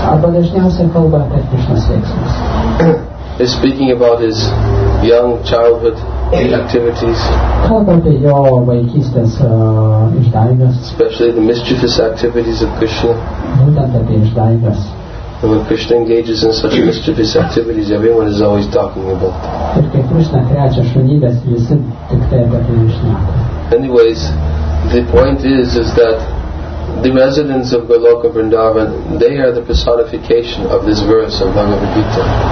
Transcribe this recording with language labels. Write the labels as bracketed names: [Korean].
[Lithuanian] Arba dažniausiai kalba apie Krishna's veiksmus. [English] He's speaking about his young childhood activities. [Lithuanian] Kalba apie jo vaikystės išdaigas. [English] Especially the mischievous activities of Krishna. [Lithuanian] Būtent apie išdaigas. [English] And when Krishna engages in such mischievous activities, everyone is always talking about them. [Lithuanian] Ir kai Krishna krečia šunybės, visi tik tai apie tai šneka. [English] Anyways, the point is that the residents of Goloka Vrindavan, they are the personification of this verse of Bhagavad Gita.